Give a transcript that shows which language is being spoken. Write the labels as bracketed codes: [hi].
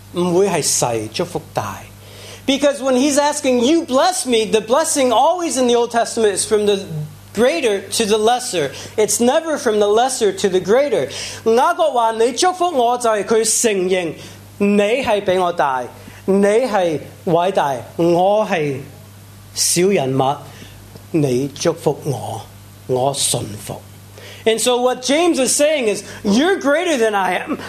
[zh] 因为当他说,你祝福我,就是大祝福小,不会是小祝福大。 [en] Because when he's asking, you bless me, the blessing always in the Old Testament is from the greater to the lesser. It's never from the lesser to the greater. [zh] 雅各说,你祝福我,就是他承认,你是比我大,你是伟大,我是小人物,你祝福我,我信服。 [en] And so what James is saying is, you're greater than I am.